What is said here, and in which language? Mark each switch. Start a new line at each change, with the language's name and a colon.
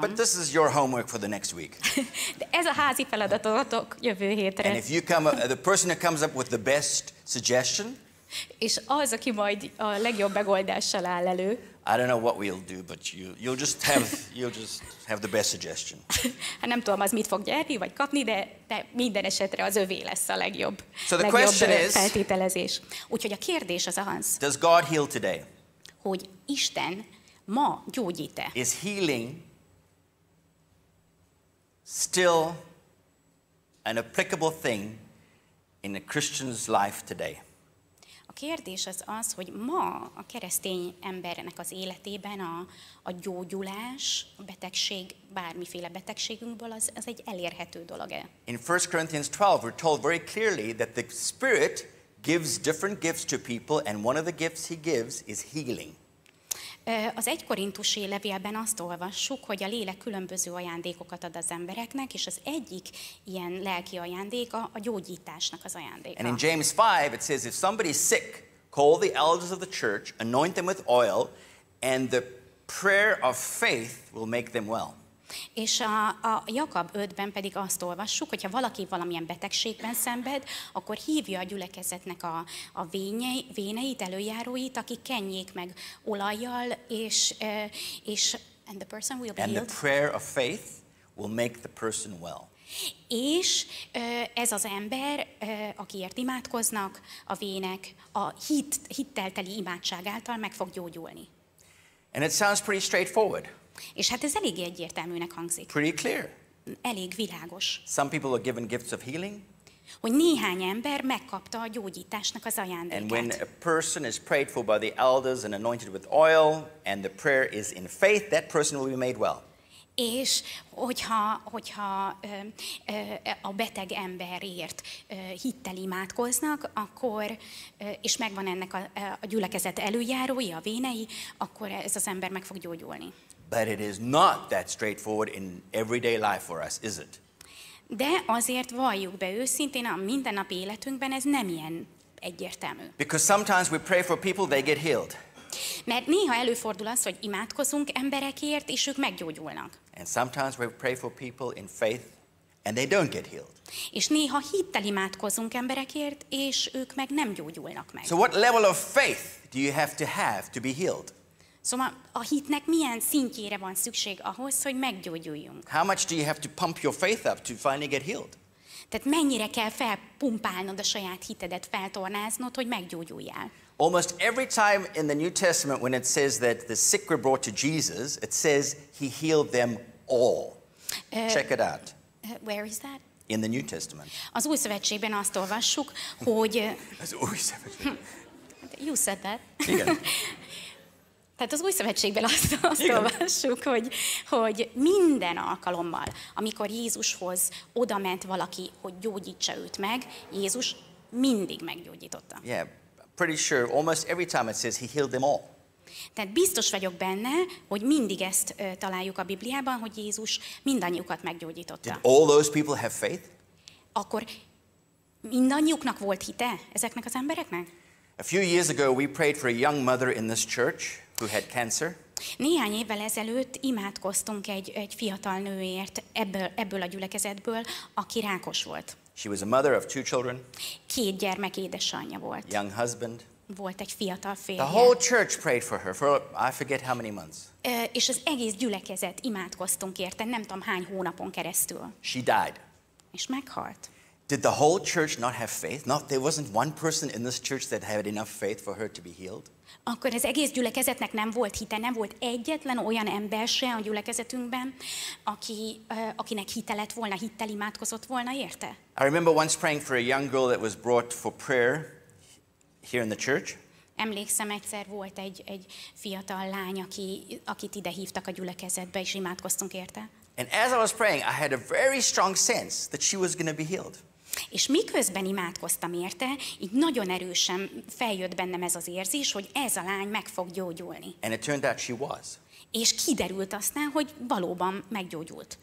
English: But this is your homework for the next week.
Hungarian: De ez a házi feladatotok jövő hétre.
English: And if you come, the person who comes up with the best suggestion.
Hungarian: És az, aki majd a legjobb megoldással áll elő.
English: I don't know what we'll do, but you'll just have the best suggestion.
Hungarian: Hát nem tudom, az mit fog gyerni vagy kapni, de minden esetre az övé lesz a legjobb.
English: So the question is.
Hungarian: Feltételezés. Úgyhogy a kérdés az az.
English: Does God heal today?
Hungarian: Hogy Isten ma gyógyít-e?
English: Is healing still an applicable thing in a Christian's life today?
Hungarian: Kérdés az, hogy ma a keresztény embernek az életében a gyógyulás, a betegség, bármiféle betegségünkből az egy elérhető dolog-e?
English: In 1 Corinthians 12, we're told very clearly that the Spirit gives different gifts to people, and one of the gifts he gives is healing.
Hungarian: Az 1 Korintusi levélben azt olvassuk, hogy a lélek különböző ajándékokat ad az embereknek, és az egyik ilyen lelki ajándéka a gyógyításnak az ajándéka.
English: And in James 5 it says, if somebody is sick, call the elders of the church, anoint them with oil, and the prayer of faith will make them well.
Hungarian: És a Jakab 5-ben pedig azt olvassuk, hogy ha valaki valamilyen betegségben szenved, akkor hívja a gyülekezetnek a véneit, előjáróit, akik kenjék meg olajjal, és
English: and the person will be healed. And the prayer of faith will make the person well.
Hungarian: És ez az ember, akiért imádkoznak a vének, a hittel teli imádság által meg fog gyógyulni.
English: And it sounds pretty straightforward.
Hungarian: És hát ez elég egyértelműnek hangzik.
English: Pretty clear.
Hungarian: Elég világos.
English: Some people are given gifts of healing.
Hungarian: Hogy néhány ember megkapta a gyógyításnak az ajándékát.
English: And when a person is prayed for by the elders and anointed with oil, and the prayer is in faith, that person will be made well.
Hungarian: És hogyha a beteg emberért hittel imádkoznak, akkor és megvan ennek a gyülekezet előjárói, a vénei, akkor ez az ember meg fog gyógyulni.
English: But it is not that straightforward in everyday life for us, is it?
Hungarian: De azért valljuk be őszintén, a mindennapi életünkben ez nem ilyen egyértelmű.
English: Because sometimes we pray for people, they get healed.
Hungarian: Mert néha előfordul az, hogy imádkozunk emberekért, és ők meggyógyulnak.
English: And sometimes we pray for people in faith, and they don't get healed.
Hungarian: És néha hittel imádkozunk emberekért, és ők meg nem gyógyulnak meg.
English: So what level of faith do you have to be healed?
Hungarian: Szóval a hitnek milyen szintjére van szükség ahhoz, hogy meggyógyuljunk?
English: How much do you have to pump your faith up to finally get healed?
Hungarian: Tehát mennyire kell felpumpálnod a saját hitedet, feltornáznod, hogy meggyógyuljál?
English: Almost every time in the New Testament when it says that the sick were brought to Jesus, it says he healed them all. Check it out. Where is that? In the New Testament.
Hungarian: Az Új Szövetségben azt olvassuk, hogy... Az Új Szövetségben.
English: You said that.
Hungarian: Igen. Tehát az Új Szövetségben azt olvassuk, hogy minden alkalommal, amikor Jézushoz oda ment valaki, hogy gyógyítsa őt meg, Jézus mindig meggyógyította.
English: Yeah, pretty sure, almost every time it says he healed them all.
Hungarian: Tehát biztos vagyok benne, hogy mindig ezt találjuk a Bibliában, hogy Jézus mindannyiukat meggyógyította.
English: Did all those people have faith?
Hungarian: Akkor mindannyiuknak volt hite ezeknek az embereknek?
English: A few years ago we prayed for a young mother in this church who had cancer.
Hungarian: Néhány évvel ezelőtt imádkoztunk egy fiatal nőért ebből a gyülekezetből, aki rákos volt.
English: She was a mother of two children.
Hungarian: Két gyermek édesanyja volt.
English: Young husband.
Hungarian: Volt egy fiatal férje.
English: The whole church prayed for her for I forget how many months.
Hungarian: És az egész gyülekezet imádkoztunk érte, nem tudom hány hónapon keresztül.
English: She died.
Hungarian: És meghalt.
English: Did the whole church not have faith? Not there wasn't one person in this church that had enough faith for her to be healed?
Hungarian: Akkor az egész gyülekezetnek nem volt hite, nem volt egyetlen olyan ember se a gyülekezetünkben, akinek hite lett volna, hittel imádkozott volna érte.
English: I remember once praying for a young girl that was brought for prayer here in the church.
Hungarian: Emlékszem, egyszer volt egy fiatal lány, akit ide hívtak a gyülekezetbe, és imádkoztunk érte.
English: And as I was praying, I had a very strong sense that she was going to be healed.
Hungarian: És miközben imádkoztam érte, így nagyon erősen feljött bennem ez az érzés, hogy ez a lány meg fog gyógyulni.
English: And it turned out she was.
Hungarian: És kiderült aztán, hogy valóban meggyógyult.